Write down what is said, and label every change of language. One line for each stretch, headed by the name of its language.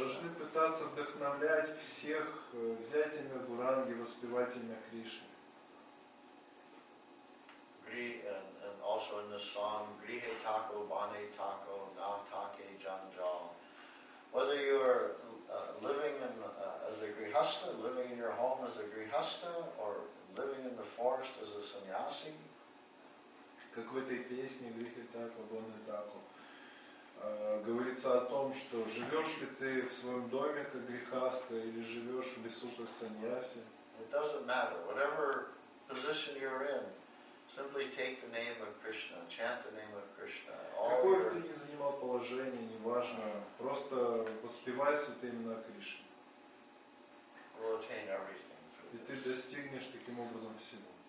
Russian: Должны пытаться вдохновлять всех взять имя Гуранги, воспевать имя Кришны.
English: And also in this song, Grihe Tako, Bane Tako, Na Take Janjal. Whether you are living in as a grihasta, living in your home as a grihasta, or living in the forest as a sannyasi.
Russian: Как в этой песне Грихе Тако, Бане Тако, говорится о том, что живешь ли ты в своем доме как грихаста или живешь в лесу как саньяси.
English: It doesn't matter. Whatever position you're in, simply take the name of Krishna, chant the name of Krishna.
Russian: Какое бы ты ни занимал положение, неважно, просто воспевай святые имена Кришны.
English: We'll attain everything.
Russian: И ты достигнешь таким образом всего.